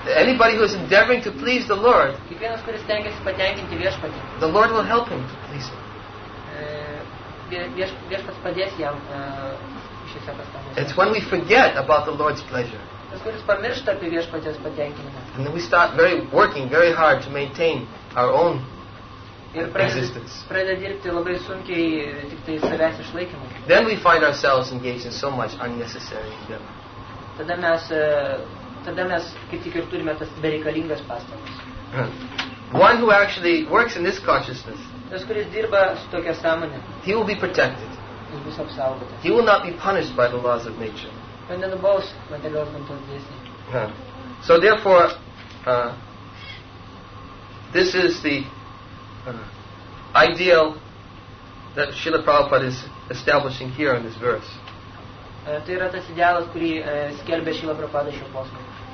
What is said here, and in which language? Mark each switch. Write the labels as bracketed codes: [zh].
[en] Anybody who is endeavoring to please the Lord, [lt] kiekvienas kuris stengiasi patenkinti Viešpatį, [en] the Lord will help him to please him. [lt] Viešpats padės jam šiuose pastangose. [en] It's when we forget about the Lord's pleasure. [lt] Tas, kuris pamiršta apie Viešpaties patenkinimą. [en] And then we start working very hard to maintain our own existence. [lt] Ir pradeda dirbti labai sunkiai tik tai savęs išlaikymui. [en] Then we find ourselves engaged in so much unnecessary endeavor. [lt] Tada mes kaip tik ir turime tas bereikalingas pastangas. [en] One who actually works in this consciousness, [lt] tas, kuris dirba su tokia sąmonė, [en] he will be protected. [lt] Jis bus apsaugotas. [en] He will not be punished by the laws of nature. [lt] Ir nenubaus materialios gamtos dėsniai. [en] So therefore, this is the ideal that Srila Prabhupada is establishing here in this verse. [lt] Tai yra tas idealas, kurį skelbia Srila Prabhupada šio posmo.